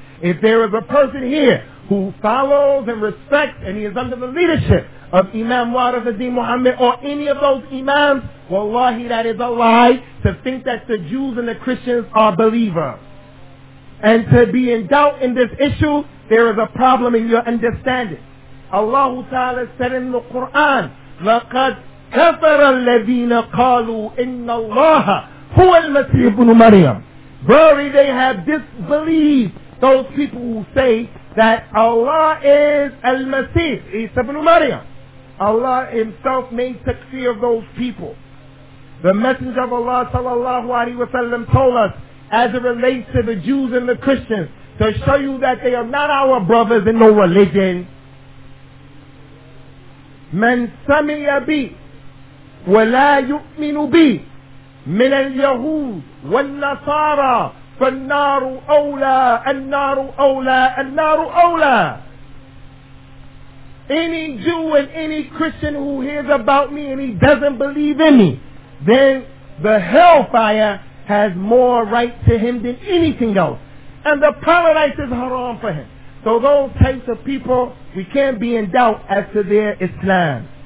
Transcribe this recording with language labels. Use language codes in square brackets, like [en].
[en] If there is a person here who follows and respects and he is under the leadership of Imam Warathuddin Muhammad or any of those Imams, wallahi, that is a lie to think that the Jews and the Christians are believers. And to be in doubt in this issue, there is a problem in your understanding. Allah Ta'ala said in the Quran, [ar] لَقَدْ كَفَرَ الَّذِينَ قَالُوا إِنَّ اللَّهَ هُوَ الْمَسِيحُ بْنُ مَرْيَمَ. [en] Verily they have disbelieved, those people who say that Allah is Al-Masih, Isa ibn Maryam. Allah himself made taqfir of those people. The Messenger of Allah sallallahu alaihi wasallam told us, as it relates to the Jews and the Christians, to show you that they are not our brothers in no religion. [ar] من سمي بي ولا يؤمن بي من اليهود والنصارى فالنار أولى النار أولى النار أولى. [en] Any Jew and any Christian who hears about me and he doesn't believe in me, then the hellfire has more right to him than anything else. And the paradise is haram for him. So those types of people, we can't be in doubt as to their Islam.